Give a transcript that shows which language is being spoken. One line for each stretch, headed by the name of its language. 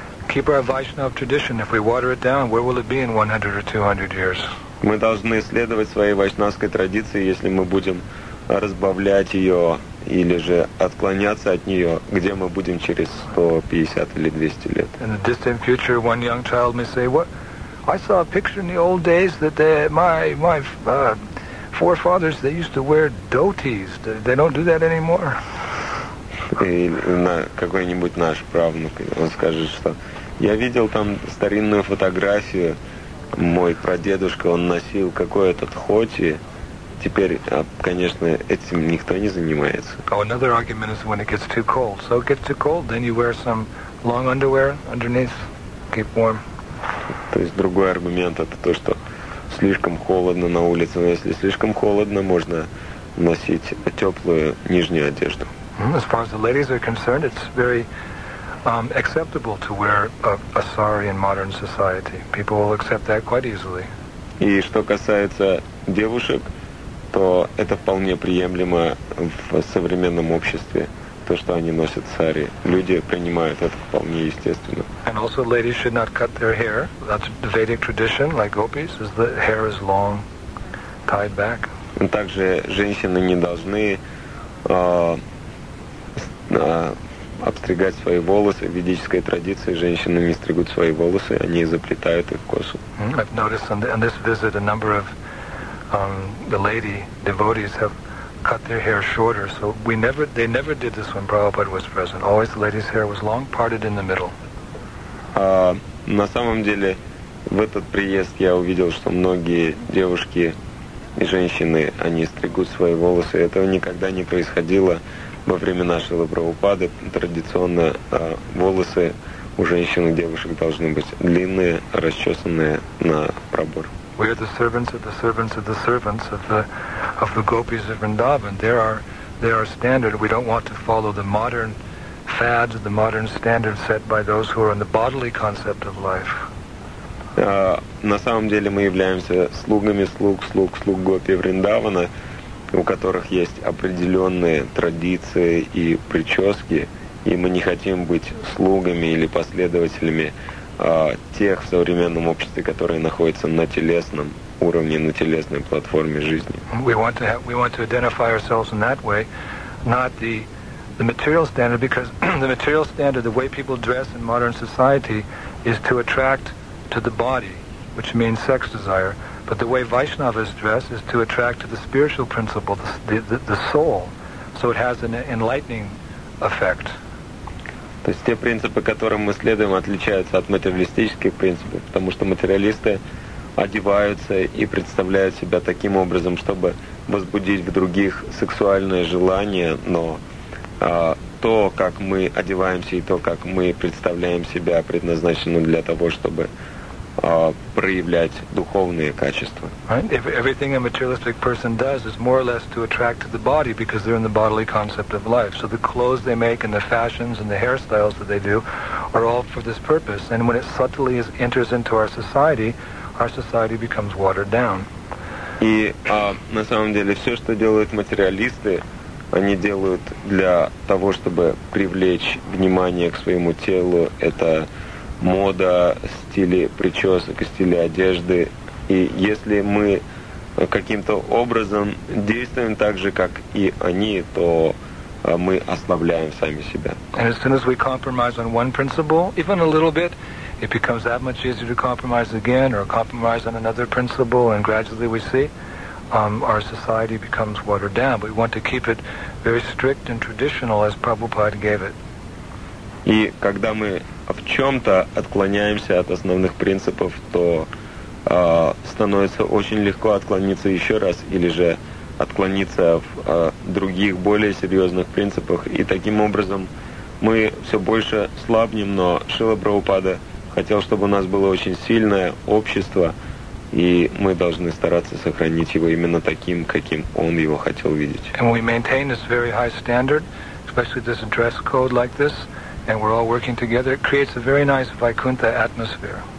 English: Keep our Vaishnava tradition. If we water it down, where will it be in 100 or 200 years?
Russian: Мы должны следовать своей вайшнавской традиции, если мы будем разбавлять ее или же отклоняться от нее, где мы будем через 150 или 200 лет.
English: In the distant future, one young child may say, "What? I saw a picture in the old days that my forefathers they used to wear dhotis. They don't do that anymore."
Russian: Или на какой-нибудь наш правнук, он скажет, что я видел там старинную фотографию, мой прадедушка, он носил какой-то тхоти, теперь, конечно, этим никто не занимается.
English: Oh, another argument is when it gets too cold. So it gets too cold, then you wear some long underwear underneath, keep warm.
Russian: То есть другой аргумент — это то, что слишком холодно на улице, но если слишком холодно, можно носить теплую нижнюю одежду.
English: As far as the ladies are concerned, it's very acceptable to wear a sari in modern society. People will accept that quite easily.
Russian: И что касается девушек, то это вполне приемлемо в современном обществе, то, что они носят сари. Люди принимают это вполне естественно.
English: And also ladies should not cut their hair. That's the Vedic tradition, like gopis, is the hair is long, tied back.
Russian: Также женщины не должны обстригать свои волосы. В ведической традиции женщины не стригут свои волосы, они заплетают их косу.
English: I've noticed on this visit a number of the lady devotees have cut their hair shorter. So they never did this when Prabhupada was present. Always the lady's hair was long, parted in the middle.
Russian: На самом деле, в этот приезд я увидел, что многие девушки и женщины, они стригут свои волосы. Этого никогда не происходило во время нашего Прабхупады. Традиционно волосы у женщин и девушек должны быть длинные, расчесанные на пробор.
English: We are the servants of the servants of the servants of the gopis of Vrindavan. They are standard. We don't want to follow the modern fads, the modern standards set by those who are in the bodily concept of life.
Russian: На самом деле мы являемся слугами слуг гопи Вриндавана, у которых есть определенные традиции и прически, и мы не хотим быть слугами или последователями тех в современном обществе, которые находятся на телесном уровне, на телесной платформе жизни.
English: We want to identify ourselves in that way, not the material standard, because the material standard, the way people dress in modern society, is to attract to the body, which means sex desire. But the way Vaishnavas dress is to attract to the spiritual principle, the soul. So it has an enlightening effect.
Russian: То есть те принципы, которым мы следуем, отличаются от материалистических принципов, потому что материалисты одеваются и представляют себя таким образом, чтобы возбудить в других сексуальное желание, но то, как мы одеваемся и то, как мы представляем себя, предназначено для того, чтобы проявлять духовные качества.
English: Right? Everything a materialistic person does is more or less to attract to the body, because they're in the bodily concept of life. So the clothes they make and the fashions and the hairstyles that they do are all for this purpose. And when it subtly enters into our society becomes watered down.
Russian: И на самом деле все, что делают материалисты, они делают для того, чтобы привлечь внимание к своему телу. Это мода, стили причесок, стили одежды. И если мы каким-то образом действуем так же, как и они, то мы ослабляем сами себя.
English: And as soon as we compromise on one principle, even a little bit, it becomes that much easier to compromise again, or compromise on another principle, and gradually we see our society becomes watered down. But we want to keep it very strict and traditional, as Prabhupada gave it.
Russian: И когда мы в чем-то отклоняемся от основных принципов, то становится очень легко отклониться еще раз или же отклониться в других, более серьезных принципах. И таким образом мы все больше слабнем, но Шрила Прабхупада хотел, чтобы у нас было очень сильное общество, и мы должны стараться сохранить его именно таким, каким он его хотел видеть.
English: And we maintain this very high standard, especially this dress code like this, and we're all working together. It creates a very nice Vaikuntha atmosphere.